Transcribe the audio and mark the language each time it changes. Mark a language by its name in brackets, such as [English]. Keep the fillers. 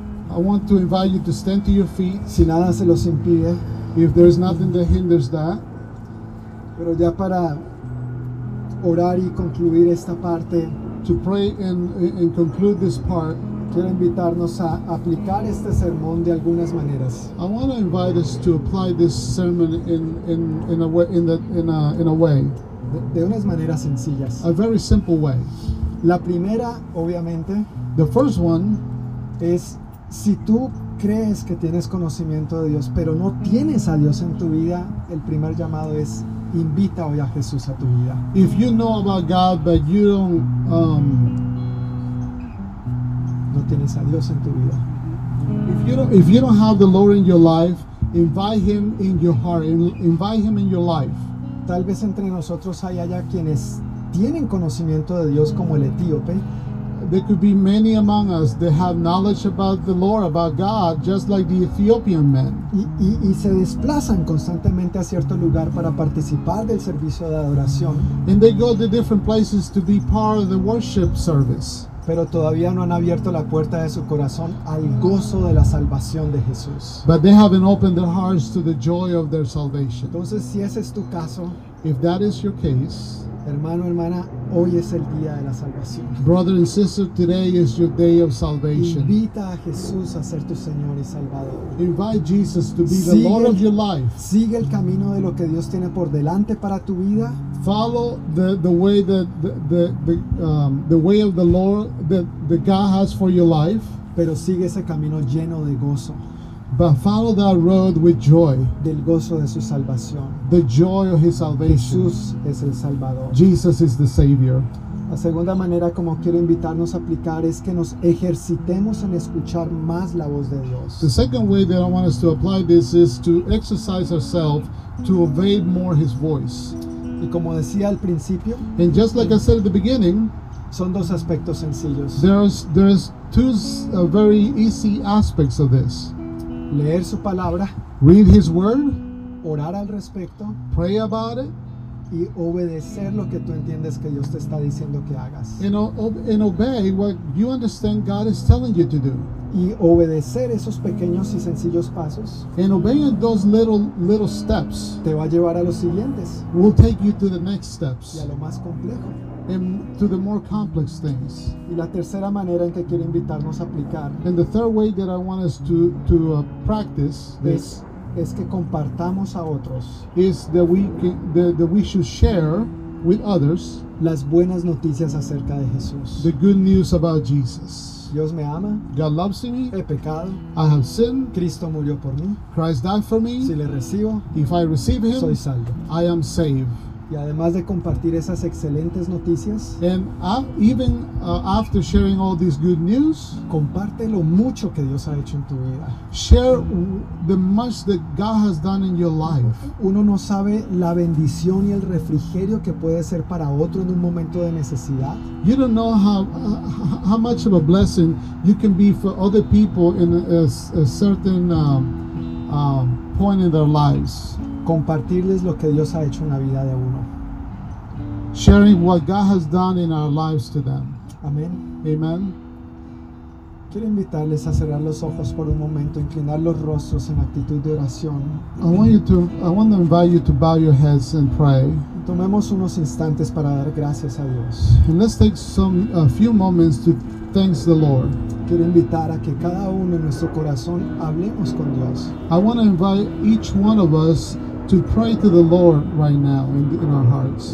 [English] I want to invite you to stand to your feet. [Spanish] Si nada se los impide. [English] If there is nothing that hinders that. [Spanish] Pero ya para orar y concluir esta parte. [English] To pray and, and conclude this part. [Spanish] Quiero invitarnos a aplicar este sermón de algunas maneras. [English] I want to invite us to apply this sermon in, in, in a way. In the, in a, in a way. [Spanish] De, de una manera sencilla. [English] A very simple way. [Spanish] La primera, obviamente. [English] The first one. [Spanish] is si tú crees que tienes conocimiento de Dios, pero no tienes a Dios en tu vida, el primer llamado es invita hoy a Jesús a tu vida. [English] If you know about God but you don't um... [Spanish] no tienes a Dios en tu vida. [English] If you, don't, if you don't have the Lord in your life, invite him in your heart. Invite him in your life. [Spanish] Tal vez entre nosotros hay allá quienes tienen conocimiento de Dios como el etíope, [English] there could be many among us that have knowledge about the Lord, about God, just like the Ethiopian men. [Spanish] Y, y, y, se desplazan constantemente a cierto lugar para participar del servicio de adoración. [English] And they go to different places to be part of the worship service. [Spanish] Pero todavía no han abierto la puerta de su corazón al gozo de la salvación de Jesús. [English] But they haven't opened their hearts to the joy of their salvation. [Spanish] Entonces, si ese es tu caso. [English] If that is your case, [Spanish] hermano, hermana, hoy es el día de la salvación. [English] Brother and sister, today is your day of salvation. [Spanish] Invita a Jesús a ser tu Señor y Salvador. [English] Invite a Jesus to be sigue the Lord el, of your life. [Spanish] Sigue el camino de lo que Dios tiene por delante para tu vida. [English] Follow the the way that the the um, the way of the Lord that the God has for your life. [Spanish] Pero sigue ese camino lleno de gozo. [English] but follow that road with joy [Spanish] del gozo de su salvación [English] the joy of his salvation [Spanish] Jesús es el salvador [English] Jesus is the savior [Spanish] la segunda manera como quiero invitarnos a aplicar es que nos ejercitemos en escuchar más la voz de Dios [English] the second way that I want us to apply this is to exercise ourselves to obey more his voice and just like I said at the beginning [Spanish] son dos aspectos sencillos [English] there's, there's two uh, very easy aspects of this [Spanish] leer su palabra, [English] read his word, [Spanish] orar al respecto, [English] pray about it, [Spanish] y obedecer lo que tú entiendes que Dios te está diciendo que hagas. [English] In obey what you understand God is telling you to do. [Spanish] Y obedecer esos pequeños y sencillos pasos. [English] In obeying those little little steps. [Spanish] Te va a llevar a los siguientes. [English] Will take you to the next steps. [Spanish] Y a lo más complejo. [English] And to the more complex things. [Spanish] Y la tercera manera en que quiero invitarnos a aplicar. [English] In the third way that I want us to to uh, practice this [Spanish] es que compartamos a otros [English] is that we we should share with others [Spanish] las buenas noticias acerca de Jesús [English] the good news about Jesus [Spanish] Dios me ama [English] God loves me [Spanish] he pecado [English] I have sinned [Spanish] Cristo murió por mí [English] Christ died for me [Spanish] si le recibo [English] if I receive him [Spanish] soy salvo [English] I am saved [Spanish] y además de compartir esas excelentes noticias, [English] and uh, even uh, after sharing all this good news, [Spanish] comparte lo mucho que Dios ha hecho en tu vida. [English] Share un, the much that God has done in your life. [Spanish] Uno no sabe la bendición y el refrigerio que puede ser para otro en un momento de necesidad. [English] You don't know how uh, how much of a blessing you can be for other people in a, a, a certain um, um, point in their lives [Spanish] compartirles lo que Dios ha hecho en la vida de uno. [English] Sharing what God has done in our lives to them. Amén. Amen. [Spanish] Quiero invitarles a cerrar los ojos por un momento, inclinar los rostros en actitud de oración. [English] I want you to, I want to invite you to bow your heads and pray. [Spanish] Tomemos unos instantes para dar gracias a Dios. [English] And let's take some, a few moments to thanks the Lord. [Spanish] Quiero invitar a que cada uno en nuestro corazón hablemos con Dios. [English] I want to invite each one of us. to pray to the Lord right now in, in our hearts.